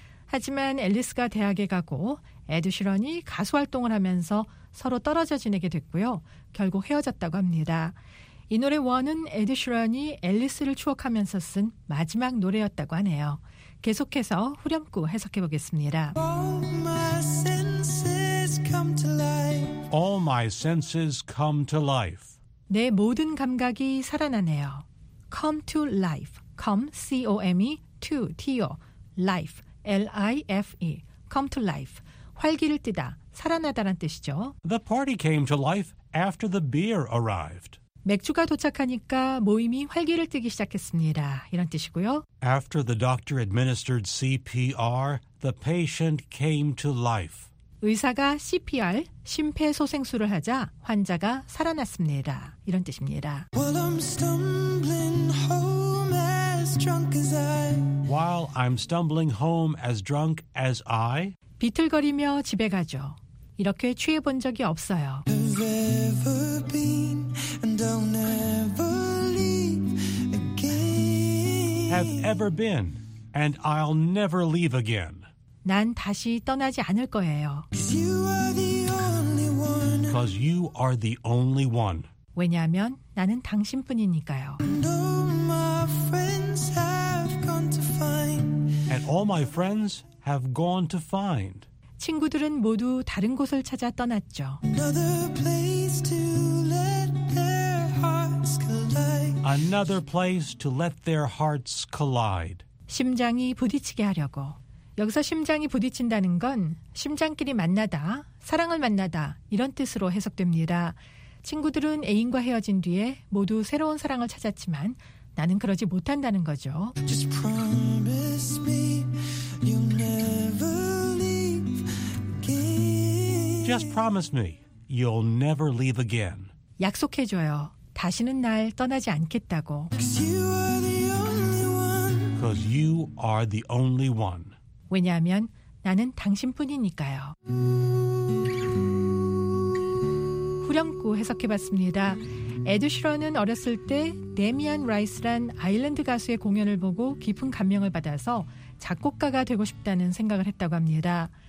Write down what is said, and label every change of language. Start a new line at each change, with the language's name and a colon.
Korean: 하지만 앨리스가 대학에 가고 에드 슈런이 가수 활동을 하면서 서로 떨어져 지내게 됐고요. 결국 헤어졌다고 합니다. 이 노래 원은 에드 슈런이 앨리스를 추억하면서 쓴 마지막 노래였다고 하네요. 계속해서 후렴구 해석해 보겠습니다.
English: All my senses come to life.
Korean: 내 모든 감각이 살아나네요.
English: Come to life. Come, C-O-M-E, to, T-O, life, L-I-F-E. Come to life.
Korean: 활기를 띠다, 살아나다란 뜻이죠.
English: The party came to life after the beer arrived.
Korean: 맥주가 도착하니까 모임이 활기를 띠기 시작했습니다. 이런 뜻이고요.
English: After the doctor administered CPR, the patient came to life.
Korean: 의사가 CPR, 심폐소생술을 하자 환자가 살아났습니다. 이런 뜻입니다.
English: While I'm stumbling home as drunk as I. While I'm stumbling home as drunk as I.
Korean: 비틀거리며 집에 가죠. 이렇게 취해 본 적이 없어요.
English: I've ever been and I'll never leave again. Have ever been and I'll never leave again.
Korean: 난 다시 떠나지 않을 거예요.
English: Because you are the only one.
Korean: 왜냐하면 나는 당신뿐이니까요.
English: And all my friends have gone to find. And all my friends have gone to find.
Korean: 친구들은 모두 다른 곳을 찾아 떠났죠.
English: Another place to let their hearts collide. Another place to let their hearts collide.
Korean: 심장이 부딪히게 하려고. 여기서 심장이 부딪힌다는 건 심장끼리 만나다, 사랑을 만나다 이런 뜻으로 해석됩니다. 친구들은 애인과 헤어진 뒤에 모두 새로운 사랑을 찾았지만 나는 그러지 못한다는 거죠.
English: Just promise me you'll never leave again. Just promise me you'll never leave again.
Korean: 약속해줘요. 다시는 날 떠나지 않겠다고.
English: Because you are the only one.
Korean: 왜냐하면 나는 당신뿐이니까요. 후렴구 해석해봤습니다. 에드 시런은 어렸을 때 데미안 라이스란 아일랜드 가수의 공연을 보고 깊은 감명을 받아서 작곡가가 되고 싶다는 생각을 했다고 합니다.